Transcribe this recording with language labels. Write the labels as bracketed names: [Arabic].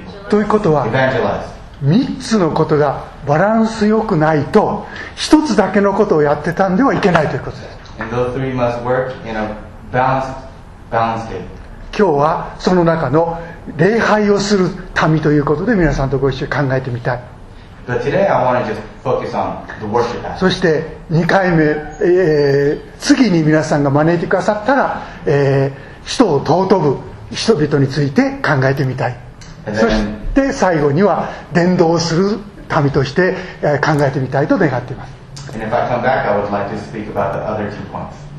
[Japanese] ということは、3つのことがバランスよくないと、1つだけのことをやってたんではいけないということです。 [English] And those three must work in a balanced state. [Japanese] 今日はその中の礼拝をする民ということで、皆さんとご一緒に考えてみたい。 [English] But today I want to just focus on the worship aspect. [Japanese] そして2回目、次に皆さんが招いてくださったら、人を尊ぶ人々について考えてみたい。そして最後には伝道する民として考えてみたいと願っています。 [English] And if I come back, I would like to speak about the other two points.